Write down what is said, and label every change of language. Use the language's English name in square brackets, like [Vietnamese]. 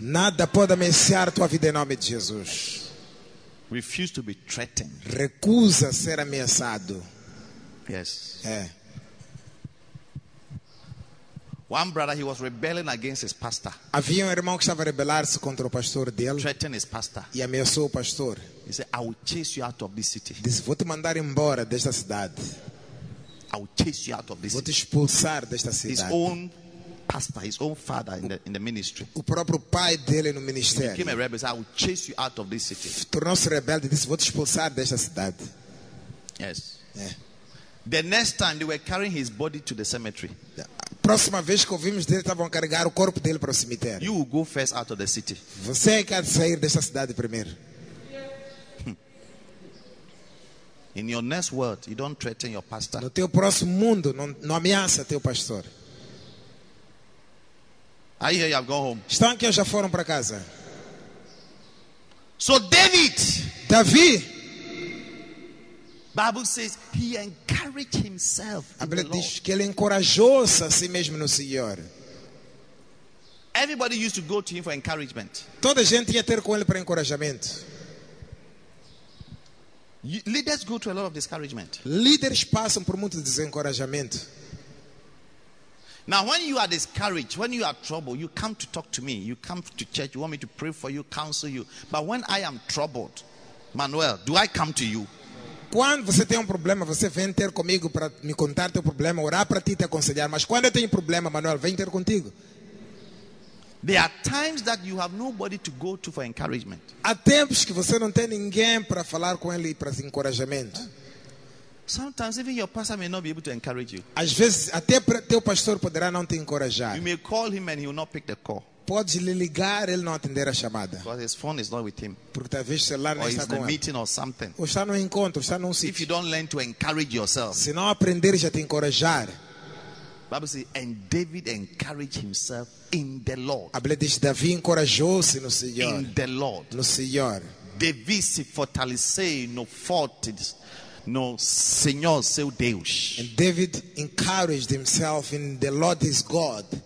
[Portuguese] Nada pode ameaçar tua vida em nome de Jesus. [English] Refuse to be threatened. [Portuguese] Recusa ser ameaçado. [English] Yes. [Portuguese] É. [English] One brother, he was rebelling against his pastor. [Portuguese] Havia um irmão que estava a rebelar-se contra o pastor dele. [English] Threatened his pastor. [Portuguese] E ameaçou o pastor. [English] He said, I will chase you out of this city. [Portuguese] Disse, vou te mandar embora desta cidade. [English] I will chase you out of this city. [Portuguese] Vou te expulsar desta cidade. [English] His own pastor, his own father in the ministry. [Portuguese] O próprio pai dele no ministério. [English] He became a rebel. He said, I will chase you out of this city. [Portuguese] Tornou-se rebelde e disse, vou te expulsar desta cidade. [English] Yes. [Portuguese] É. [English] The next time they were carrying his body to the cemetery. [Portuguese] A próxima vez que ouvimos dele, estavam a carregar o corpo dele para o cemitério. [English] You will go first out of the city. [Portuguese] Você é que há de sair desta cidade primeiro. [English] In your next world, you don't threaten your pastor. [Portuguese] No teu próximo mundo, não ameaça teu pastor. [English] Aí, I go home. [Portuguese] Estão aqui ou já foram para casa? [English] So David. [Portuguese] Davi. [English] Bible says he encouraged himself. [Portuguese] A Bíblia diz que ele encorajou-se a si mesmo no Senhor. [English] Everybody used to go to him for encouragement. [Portuguese] Toda a gente ia ter com ele para encorajamento. [English] Leaders go through a lot of discouragement. [Portuguese] Líderes passam por muito desencorajamento. [English] Now, when you are discouraged, when you are troubled, you come to talk to me. You come to church. You want me to pray for you, counsel you. But when I am troubled, Manuel, do I come to you? [Portuguese] Quando você tem problema, você vem ter comigo para me contar teu problema, orar para ti, te aconselhar. Mas quando eu tenho problema, Manuel, vem ter contigo. [English] There are times that you have nobody to go to for encouragement. [Portuguese] Há tempos que você não tem ninguém para falar com ele para encorajamento. [English] Sometimes even your pastor may not be able to encourage you. [Portuguese] Às vezes até teu pastor poderá não te encorajar. [English] You may call him and he will not pick the call. [Portuguese] Pode lhe ligar, ele não atender a chamada. [English] Because his phone is not with him. [Portuguese] Porque talvez o celular não [English] or [Portuguese] está com ele. [English] Meeting or something. [Portuguese] Ou está num encontro, está num sítio. [English] If you don't learn to encourage yourself. [Portuguese] Se não aprender já te encorajar. [English] Bible says, and David encouraged himself in the Lord. [Portuguese] A Bíblia diz, Davi encorajou-se no Senhor. [English] In the Lord. [Portuguese] No Senhor. Davi se fortaleceu no forte no Senhor seu Deus. [English] And David encouraged himself in the Lord his God.